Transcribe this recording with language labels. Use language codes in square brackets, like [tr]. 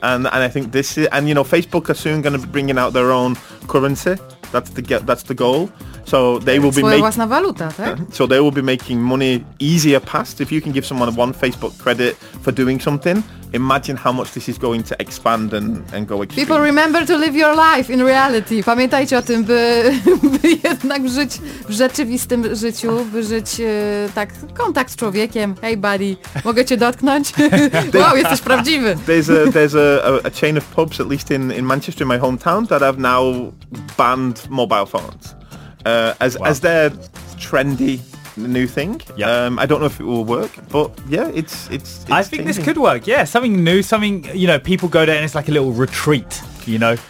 [en] And I think this is, and you know, Facebook are soon going to be bringing out their own currency. That's the goal. So they will be [pl] własna waluta, tak? [en] So they will be making money easier past. If you can give someone one Facebook credit for doing something, imagine how much this is going to expand and go extreme. People remember to live your life in reality. [pl] Pamiętajcie o tym, by jednak żyć w rzeczywistym życiu, by żyć tak kontakt z człowiekiem. [en] Hey buddy, [pl] mogę cię dotknąć? Wow, jesteś prawdziwy. [en] There's a chain of pubs, at least in Manchester, in my hometown, that have now banned mobile phones. As their trendy new thing. Yep. I don't know if it will work, but yeah, it's I think changing. This could work. Yeah, something new, something, you know, people go there and it's like a little retreat, you know.